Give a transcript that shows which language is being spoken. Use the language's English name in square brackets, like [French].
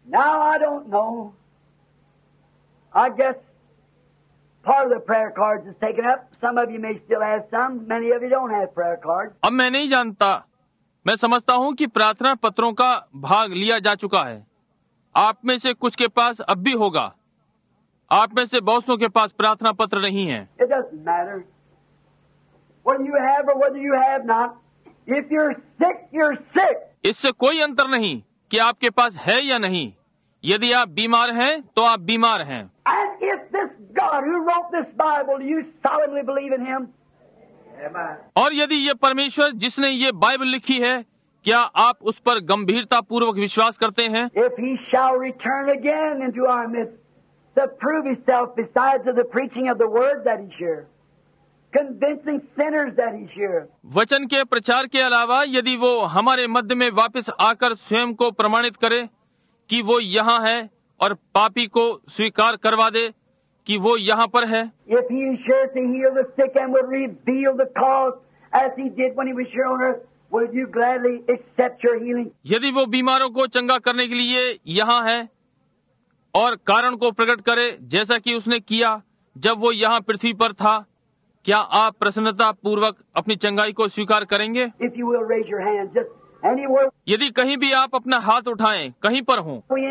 [English] Now I don't know. I guess part of the prayer cards is taken up. Some of you may still have some. Many of you don't have prayer cards. [Hindi] अब मैं नहीं जानता, मैं समझता हूँ कि प्रार्थना पत्रों का भाग लिया जा चुका है। आप में से कुछ के पास अब भी होगा, आप में से बहुत सौ के पास प्रार्थना पत्र नहीं है। [English] It doesn't matter whether you have or whether you have not. If you're sick, you're sick. [Hindi] इससे कोई अंतर नहीं कि आपके पास है या नहीं, यदि आप बीमार हैं तो आप बीमार हैं। [English] And if this God who wrote this Bible, you solemnly believe in him? [Hindi] और यदि ये परमेश्वर जिसने ये बाइबल लिखी है, क्या आप उस पर गंभीरता पूर्वक विश्वास करते हैं? [English] If he shall return again into our midst to prove himself besides of the preaching of the word that he's here. Convincing sinners that he's here. [Hindi] वचन के प्रचार के अलावा यदि वो हमारे मध्य में वापस आकर स्वयं को प्रमाणित करे कि वो यहाँ है और पापी को स्वीकार करवा दे कि वो यहाँ पर है. [English] If he is here to heal the sick and will reveal the cause as he did when he was here on earth, will you gladly accept your healing? [Hindi] यदि वो बीमारों को चंगा करने के लिए यहाँ है और कारण को प्रकट करे जैसा कि उसने किया जब वो यहाँ पृथ्वी पर था, क्या आप प्रसन्नता पूर्वक अपनी चंगाई को स्वीकार करेंगे? [English] If you will raise your hand, just anywhere. [Hindi] यदि कहीं भी आप अपना हाथ उठाएं, कहीं पर हो.